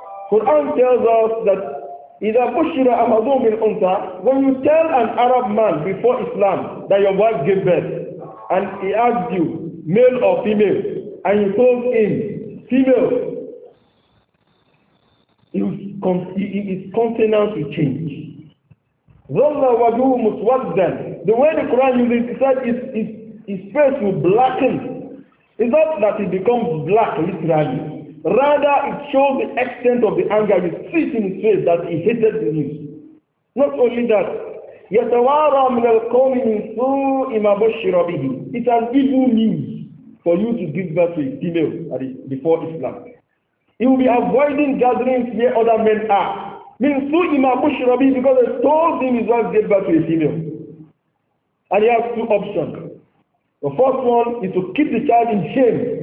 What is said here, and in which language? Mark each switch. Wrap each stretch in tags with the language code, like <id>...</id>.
<en>Quran tells us that</en> <ar>إِذَا بُشِّرَ أَحَدُهُمْ بِالْأُنْثَى,</ar> <en>when you tell an Arab man before Islam that your wife gave birth, and he asked you, male or female, and you told him, female, his countenance will change. The way the Quran uses it, said his face will blacken. It's not that it becomes black literally. Rather, it shows the extent of the anger you see in his face that he hated the news. Not only that,</en> <ar>يَتَوَارَى مِنَ الْقَوْمِ مِنْ سُوءِ مَا بُشِّرَ بِهِ.</ar> <en>It's an evil news for you to give birth to a female before Islam. He will be avoiding gatherings where other men are. Means to him Abushirabi because they told him his wife gave birth to a female. And he has two options. The first one is to keep the child in shame.</en>